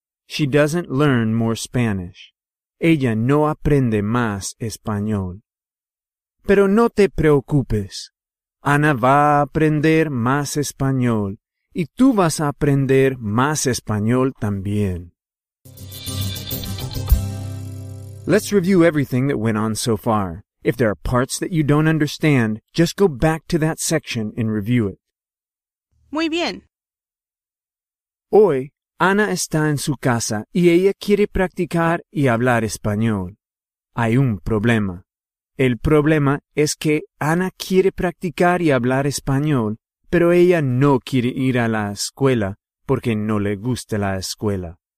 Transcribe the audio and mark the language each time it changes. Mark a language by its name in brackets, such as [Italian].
[English] She doesn't learn more Spanish. [Spanish] Ella no aprende más español. Pero no te preocupes. Ana va a aprender más español y tú vas a aprender más español también. [English] Let's review everything that went on so far. If there are parts that you don't understand, just go back to that section and review it. [Spanish] Muy bien. Hoy, Ana está en su casa y ella quiere practicar y hablar español. Hay un problema. El problema es que Ana quiere practicar y hablar español, pero ella no quiere ir a la escuela porque no le gusta la escuela.